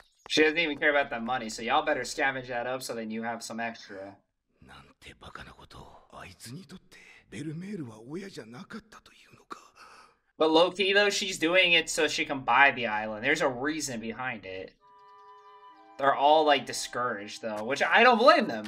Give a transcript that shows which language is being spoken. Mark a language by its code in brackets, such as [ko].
[en] She doesn't even care about that money, so y'all better scavenge that up so then you have some extra. [ja] なんてバカなこと。あいつにとってベルメールは親じゃなかったというのか。 [en] But low key though, she's doing it so she can buy the island. There's a reason behind it. They're all like discouraged though, which I don't blame them.